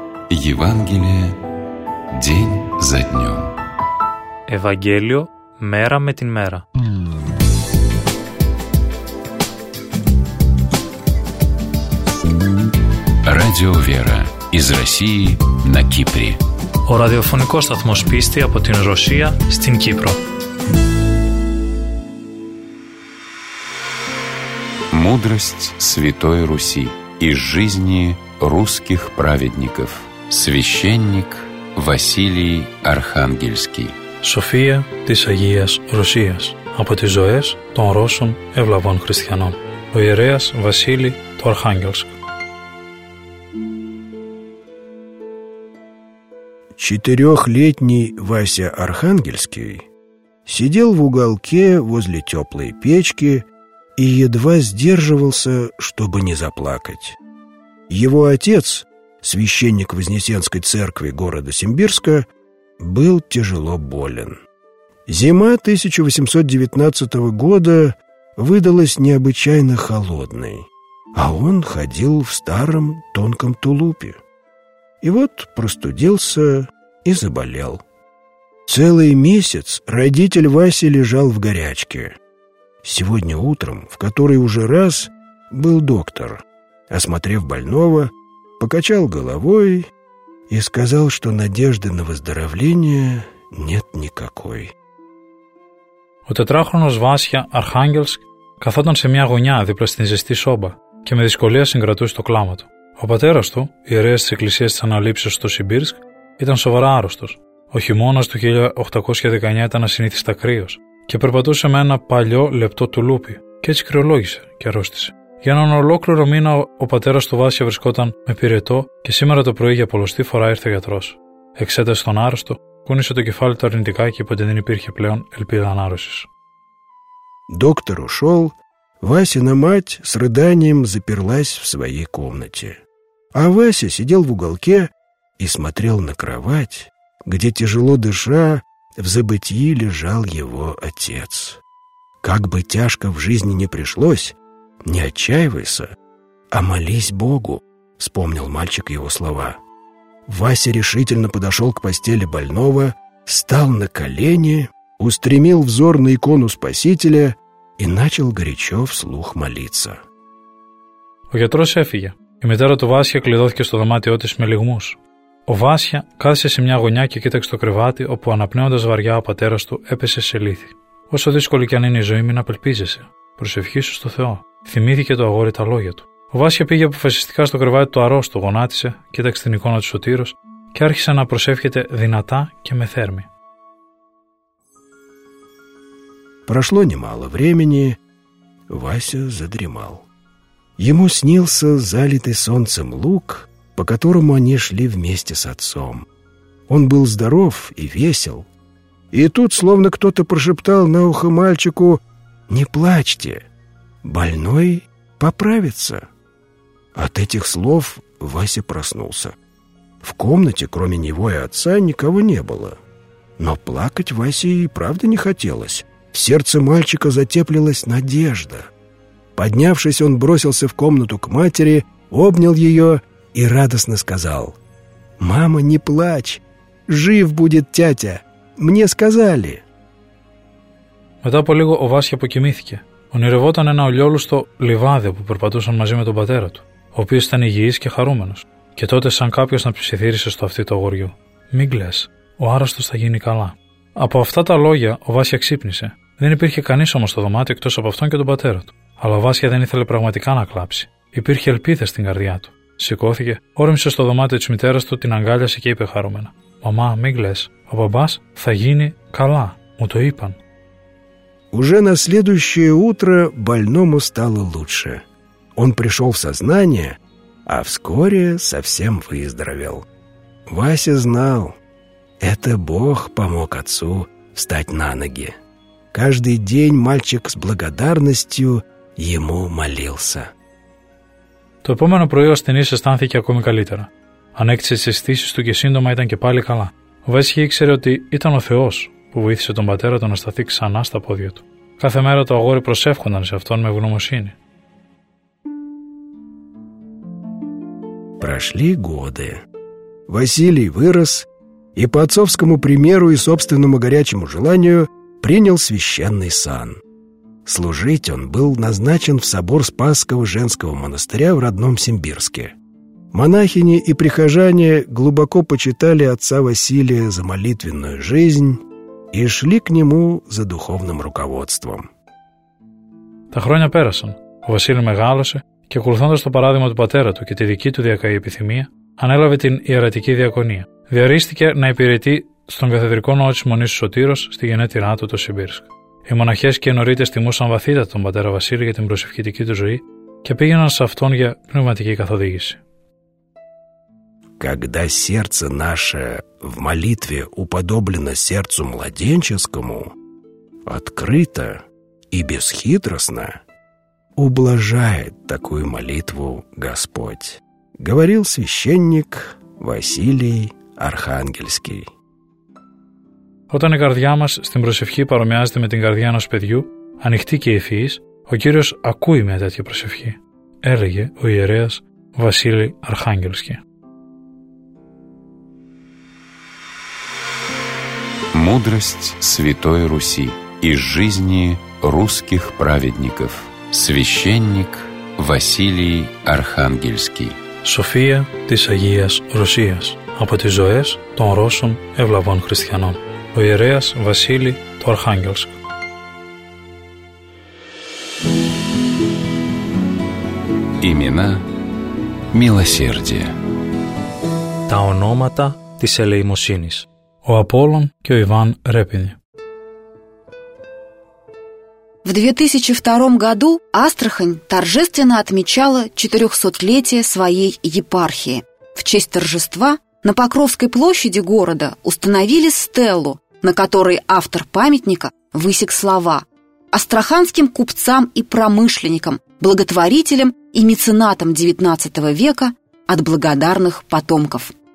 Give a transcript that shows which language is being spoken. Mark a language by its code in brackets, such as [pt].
[ru] Евангелие день за днем. [el] Евангелие мера με την мера. [ru] Радио Вера из России на Кипре. [el] О радиофонικός сταθμός πίστη από την Ρωσία στην Κύπρο. [ru] Мудрость Святой Руси из жизни русских праведников. Священник Василий Архангельский. [el] София της Αγίας Ρωσίας. Από τις ζωές των Ρώσων ευλαβών χριστιανών. Ο ιερέας Βασίλη του Αρχάγγελσκου. [ru] Четырехлетний Вася Архангельский сидел в уголке возле теплой печки и едва сдерживался, чтобы не заплакать. Его отец, священник Вознесенской церкви города Симбирска, был тяжело болен. Зима 1819 года выдалась необычайно холодной, а он ходил в старом тонком тулупе. И вот простудился и заболел. Целый месяц родитель Васи лежал в горячке. Сегодня утром, в который уже раз, был доктор. Осмотрев больного, покачал головой и сказал, что надежды на выздоровление нет никакой. [el] Ο τετράχρονος Βάσια Αρχάγγελσκ καθόταν σε μια γωνιά δίπλα στην ζεστή σόμπα και με δυσκολία συγκρατούσε το κλάμα του. Ο πατέρας του, ιερέας της Εκκλησίας της Αναλήψεως στο Σιμπίρσκ, ήταν σοβαρά άρρωστος. Ο χειμώνας του 1819 ήταν ασυνήθιστα κρύος και περπατούσε με ένα παλιό λεπτό τουλούπι και έτσι κρυολόγησε και αρρώστησε. Για έναν ολόκληρο μήνα ο πατέρας του Βάσια βρισκόταν με πυρετό και σήμερα το πρωί για πολλωστή φορά ήρθε ο γιατρός. Εξέτασε τον άρρωστο, κούνησε το κεφάλι του αρνητικά και είπε ότι δεν υπήρχε πλέον ελπίδα ανάρρωσης. [ru] Доктор ушел, Васина мать с рыданием заперлась в своей комнате. А Вася сидел в уголке и смотрел на кровать, где, тяжело дыша, в забытьи лежал его отец. Как бы тяжко в жизни ни пришлось, не отчаивайся, а молись Богу, вспомнил мальчик его слова. Вася решительно подошел к постели больного, встал на колени, устремил взор на икону Спасителя и начал горячо вслух молиться. [el] Ο γιατρός έφυγε. Η μητέρα του Βάσια κλειδώθηκε στο δωμάτιό της με λυγμούς. Ο Βάσια κάθισε σε μια γωνιά και κοίταξε το κρεβάτι όπου αναπνέοντας βαριά ο πατέρας του έπεσε σε λύθη. Όσο δύσκολη και αν είναι η ζωή, μην απελπίζεσαι. Προσευχή σου στο Θεό. Θυμήθηκε το αγόρι τα λόγια του. Ο Βάσια πήγε αποφασιστικά στο κρεβάτι του αρρώστου, γονάτισε, κοίταξε την εικόνα του Σωτήρος και άρχισε να προσεύχεται δυνατά και με θέρμη. [ru] Прошло немало времени, Вася задремал. Ему снился залитый солнцем луг, по которому они шли вместе с отцом. Он был здоров и весел. И тут словно кто-то прошептал на ухо мальчику: «Не плачьте, больной поправится». От этих слов Вася проснулся. В комнате, кроме него и отца, никого не было. Но плакать Васе и правда не хотелось. В сердце мальчика затеплилась надежда. Поднявшись, он бросился в комнату к матери, обнял ее и радостно сказал: «Мама, не плачь! Жив будет тятя! Мне сказали!» [el] Μετά από λίγο ο Βάσια αποκοιμήθηκε. Ονειρευόταν ένα ολιόλουστο λιβάδι που περπατούσαν μαζί με τον πατέρα του, ο οποίος ήταν υγιής και χαρούμενος. Και τότε σαν κάποιος να ψιθύρισε στο αυτί του αγοριού: «Μην κλαις, ο άρρωστος θα γίνει καλά». Από αυτά τα λόγια ο Βάσια ξύπνησε. Δεν υπήρχε κανείς όμως στο δωμάτιο εκτός από αυτόν και τον πατέρα του. Αλλά ο Βάσια δεν ήθελε πραγματικά να κλάψει. Υπήρχε ελπίδα στην καρδιά του. Σηκώθηκε, όρμησε στο δωμάτιο της μητέρας του, την αγκάλιασε και είπε χαρούμενα: «Μαμά, μην κλαις, ο μπαμπάς θα γίνει καλά, μου το είπαν». [ru] Уже на следующее утро больному стало лучше. Он пришел в сознание, а вскоре совсем выздоровел. Вася знал, это Бог помог отцу встать на ноги. Каждый день мальчик с благодарностью ему молился. [el] Το επόμενο πρωί ο ασθενής αισθάνθηκε ακόμη καλύτερα. Ανέκτησε τις αισθήσεις του και σύντομα ήταν και πάλι καλά. Ο Βέσχη ήξερε ότι ήταν ο Θεός που βοήθησε τον πατέρα του να σταθεί ξανά στα πόδια του. Κάθε μέρα το αγόρι προσεύχονταν σε αυτόν με ευγνωμοσύνη. [ru] Прошли годы. Василий вырос и по отцовскому примеру и собственному горячему желанию принял священный сан. Служить он был назначен в собор Спасского женского монастыря в родном Симбирске. Монахини и прихожане глубоко почитали отца Василия за молитвенную жизнь и шли к нему за духовным руководством. [el] Τα χρόνια πέρασαν. Ο Βασίλης μεγάλωσε και ακολουθώντας το παράδειγμα του πατέρα του και τη δική του διακαή επιθυμία, ανέλαβε την ιερατική διακονία. Διαρίστηκε να υπηρετεί στον καθεδρικό ναό της Μονής Σωτήρος στη γενέτειρά του το Σιμπίρσκ. Οι μοναχές και οι νωρίτες τιμούσαν βαθύτατα τον πατέρα Βασίλη για την προσευχητική του ζωή και πήγαιναν σε αυτόν για πνευματική καθοδήγηση. [ru] Когда сердце наше в молитве уподоблено сердцу младенческому, открыто и бесхитростно, ублажает такую молитву Господь, говорил священник Василий Архангельский. [el] Όταν η καρδιά μας στην προσευχή παρομοιάζεται με την καρδιά ενός παιδιού, ανοιχτή και ευφυής, ο Κύριος ακούει μια τέτοια προσευχή, έλεγε ο ιερέας Βασίλη Αρχάγγελσκι. [ru] Мудрость Святой Руси из жизни русских праведников. Священник Василий Архангельский. [el] Σοφία της Αγίας Ρωσίας. Από τις ζωές των Ρώσων ευλαβών χριστιανών. Ο ιερέας Βασίλη του Αρχάγγελσκ. [ru] Ημινά Μιλοσέρδια. [el] Τα ονόματα της ελεημοσύνης. Ο Απόλλων και ο Ιβάν Ρέπινι. [ru] В 2002 году Астрахань торжественно отмечала 400-летие своей епархии. В честь торжества на Покровской площади города установили стелу, на которой автор памятника высек слова «Астраханским купцам и промышленникам, благотворителям и меценатам XIX века от благодарных потомков».